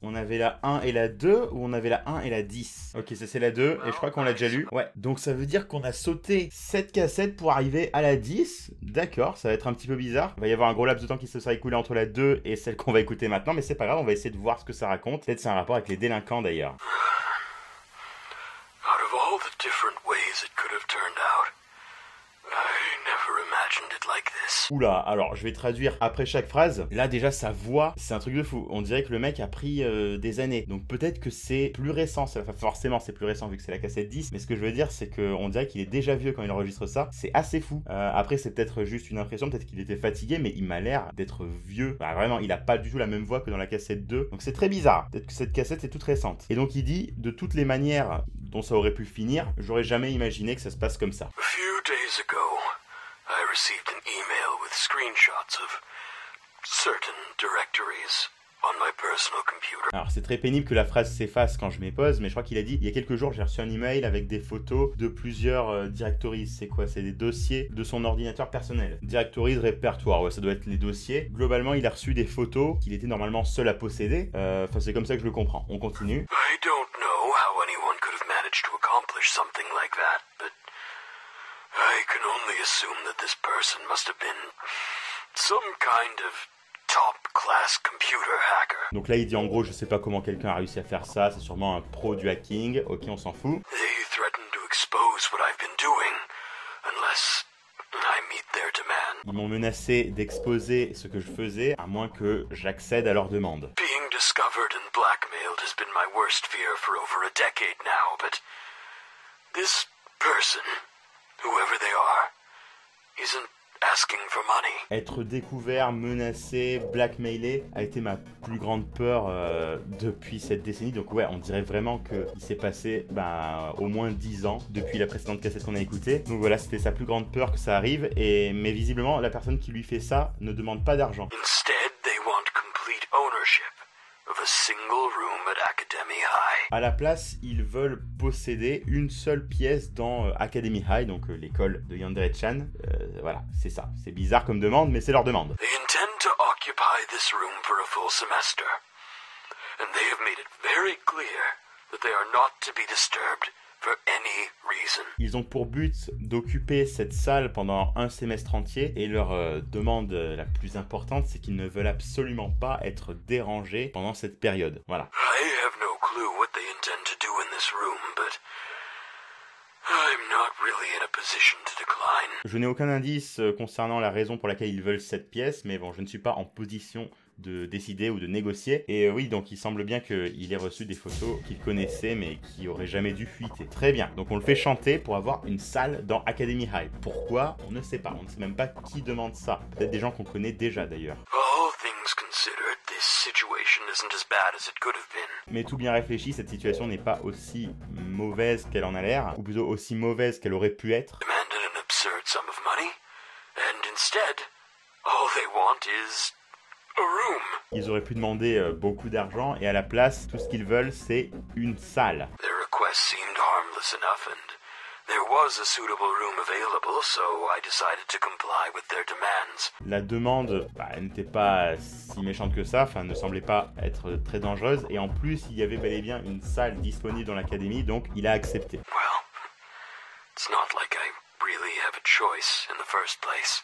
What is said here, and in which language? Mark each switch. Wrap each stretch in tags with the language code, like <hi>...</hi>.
<fr>On avait la 1 et la 2, ou on avait la 1 et la 10? Ok, ça c'est la 2, et je crois qu'on l'a déjà lu. Ouais, donc ça veut dire qu'on a sauté cette cassette pour arriver à la 10. D'accord, ça va être un petit peu bizarre. Il va y avoir un gros laps de temps qui se sera écoulé entre la 2 et celle qu'on va écouter maintenant, mais c'est pas grave, on va essayer de voir ce que ça raconte. Peut-être c'est un rapport avec les délinquants d'ailleurs.</fr> <en>Out of all the different ways it could have turned out, I never imagined it like this.</en> <fr>Oula, alors je vais traduire après chaque phrase. Là déjà sa voix, c'est un truc de fou. On dirait que le mec a pris des années. Donc peut-être que c'est plus récent. Enfin forcément c'est plus récent vu que c'est la cassette 10. Mais ce que je veux dire c'est qu'on dirait qu'il est déjà vieux quand il enregistre ça. C'est assez fou. Après c'est peut-être juste une impression, peut-être qu'il était fatigué, mais il m'a l'air d'être vieux. Bah vraiment, il a pas du tout la même voix que dans la cassette 2. Donc c'est très bizarre. Peut-être que cette cassette est toute récente. Et donc il dit, de toutes les manières dont ça aurait pu finir, j'aurais jamais imaginé que ça se passe comme ça.</fr> <en>Days ago, I received an email with screenshots of certain directories on my personal computer.</en> <fr>Alors c'est très pénible que la phrase s'efface quand je mets pause, mais je crois qu'il a dit, il y a quelques jours j'ai reçu un email avec des photos de plusieurs directories. C'est quoi? C'est des dossiers de son ordinateur personnel. Directories, répertoire, ouais ça doit être les dossiers. Globalement il a reçu des photos qu'il était normalement seul à posséder. Enfin c'est comme ça que je le comprends. On continue.</fr> <en>I don't know how anyone could have managed to accomplish something like that. I can only assume that this person must have been some kind of top class computer hacker.</en> <fr>Donc là il dit en gros je sais pas comment quelqu'un a réussi à faire ça, c'est sûrement un pro du hacking. Ok, on s'en fout.</fr> <en>They threaten to expose what I've been doing unless I meet their demand.</en> <fr>Ils m'ont menacé d'exposer ce que je faisais à moins que j'accède à leur demande.</fr> <en>Being discovered and blackmailed has been my worst fear for over a decade now, but this person, whoever they are, isn't asking for money.</en> <fr>Être découvert, menacé, blackmailé a été ma plus grande peur depuis cette décennie. Donc ouais, on dirait vraiment qu'il s'est passé au moins 10 ans depuis la précédente cassette qu'on a écoutée. Donc voilà, c'était sa plus grande peur que ça arrive. Mais visiblement, la personne qui lui fait ça ne demande pas d'argent.</fr> <en>Instead, they want complete ownership. A single room at Academy High.</en> <fr>À la place, ils veulent posséder une seule pièce dans Academy High, donc l'école de Yandere Chan. Voilà, c'est ça. C'est bizarre comme demande, mais c'est leur demande.</fr> <en>They intend to occupy this room for a full semester. And they have made it very clear that they are not to be disturbed for any reason.</en> <fr>Ils ont pour but d'occuper cette salle pendant un semestre entier et leur demande la plus importante, c'est qu'ils ne veulent absolument pas être dérangés pendant cette période. Voilà.</fr> <en>I have no clue what they intend to do in this room, but I'm not really in a position to decline.</en> <fr>Je n'ai aucun indice concernant la raison pour laquelle ils veulent cette pièce, mais bon, je ne suis pas en position de décider ou de négocier. Et oui, donc il semble bien qu'il ait reçu des photos qu'il connaissait mais qui auraient jamais dû fuiter. Très bien, donc on le fait chanter pour avoir une salle dans Academy High. Pourquoi? On ne sait pas, on ne sait même pas qui demande ça. Peut-être des gens qu'on connaît déjà d'ailleurs.</fr> <en>All things considered, this situation isn't as bad as it could have been.</en> <fr>Mais tout bien réfléchi, cette situation n'est pas aussi mauvaise qu'elle en a l'air, ou plutôt aussi mauvaise qu'elle aurait pu être.</fr> <en>Demanded an absurd sum of money, and instead, all they want is...</en> <fr>Ils auraient pu demander beaucoup d'argent et à la place, tout ce qu'ils veulent, c'est une salle.</fr> <en>Their request seemed harmless enough and There was a suitable room available, so I decided to comply with their demands.</en> <fr>La demande, bah, elle n'était pas si méchante que ça, enfin, ne semblait pas être très dangereuse, et en plus, il y avait bel et bien une salle disponible dans l'académie, donc il a accepté.</fr> <en>Well, it's not like I really have a choice in the first place.</en>